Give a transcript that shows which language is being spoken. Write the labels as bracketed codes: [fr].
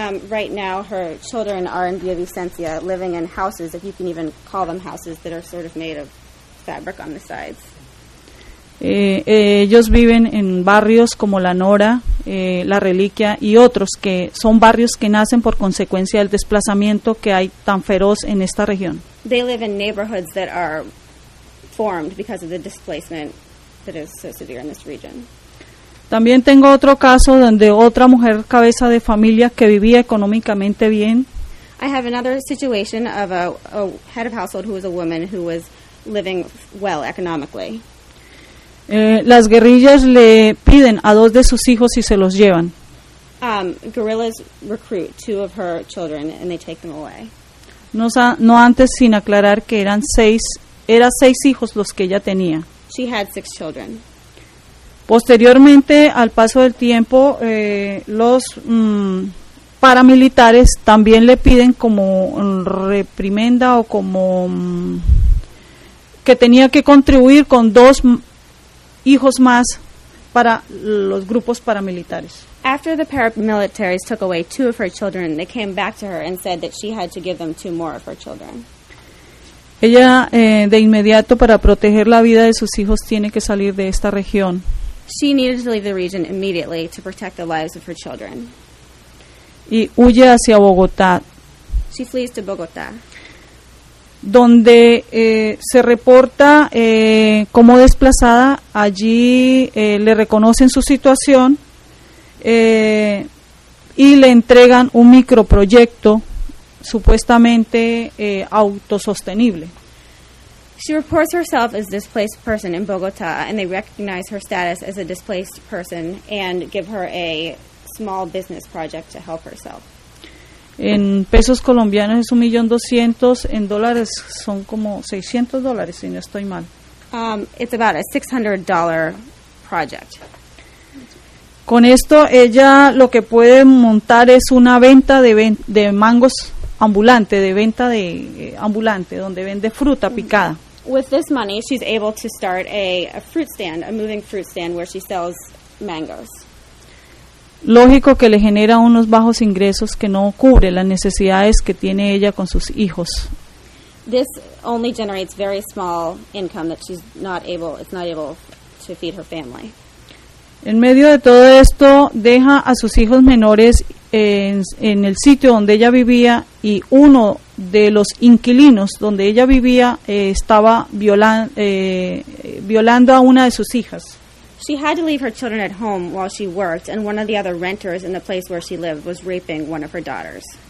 [en] Right now her children are in Villavicencio living in houses, if you can even call them houses, that are sort of made of fabric on the sides. [es] Ellos viven en barrios como La Nora, La Reliquia y otros que son barrios que nacen por consecuencia del desplazamiento que hay tan feroz en esta región. [en] They live in neighborhoods that are formed because of the displacement that is so severe in this region. [es] También tengo otro caso donde otra mujer cabeza de familia que vivía económicamente bien. [en] I have another situation of a head of household who was a woman who was living well economically. [es] Las guerrillas le piden a dos de sus hijos y se los llevan. [en] Guerrillas recruit two of her children and they take them away. [es] No antes sin aclarar que eran seis hijos los que ella tenía. [en] She had six children. [es] Posteriormente, al paso del tiempo, los paramilitares también le piden como reprimenda o como que tenía que contribuir con dos hijos más para los grupos paramilitares. [en] After the paramilitaries took away two of her children, they came back to her and said that she had to give them two more of her children. [es] Ella, de inmediato, para proteger la vida de sus hijos, tiene que salir de esta región. [en] She needed to leave the region immediately to protect the lives of her children. [es] Y huye hacia Bogotá. [en] She flees to Bogotá. [es] donde se reporta como desplazada. Allí le reconocen su situación y le entregan un microproyecto supuestamente autosostenible. [en] She reports herself as a displaced person in Bogotá, and they recognize her status as a displaced person and give her a small business project to help herself. [es] En pesos colombianos es 1,200,000, en dólares son como $600, si no estoy mal. [en] It's about a $600 project. [es] Con esto, ella lo que puede montar es una venta de mangos ambulante, de venta de ambulante, donde vende fruta picada. [en] With this money, she's able to start a fruit stand, a moving fruit stand, where she sells mangoes. [es] Lógico que le genera unos bajos ingresos que no cubre las necesidades que tiene ella con sus hijos. [en] This only generates very small income that she's not able, it's not able to feed her family. [es] En medio de todo esto, deja a sus hijos menores en el sitio donde ella vivía, y uno de los inquilinos donde ella vivía estaba violando a una de sus hijas. [en] She had to leave her children at home while she worked, and one of the other renters in the place where she lived was raping one of her daughters.